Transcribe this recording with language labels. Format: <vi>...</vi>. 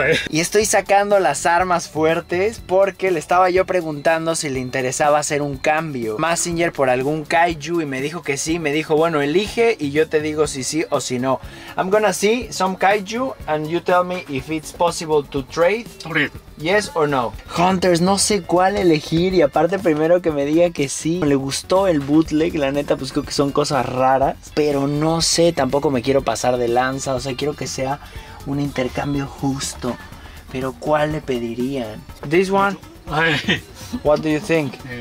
<es>Y estoy sacando las armas fuertes porque le estaba yo preguntando si le interesaba hacer un cambio Mazinger por algún Kaiju y me dijo que sí. Me dijo, bueno, elige y yo te digo si sí o si no.</es> <en>I'm gonna see some Kaiju and you tell me if it's possible to trade. Yes or no.</en> <es>Hunters, no sé cuál elegir. Y aparte, primero que me diga que sí. Le gustó el bootleg. La neta, pues creo que son cosas raras. Pero no sé, tampoco me quiero pasar de lanza. O sea, quiero que sea un intercambio justo. Pero ¿cuál le pedirían?</es> <en>This one. What do you think?</en>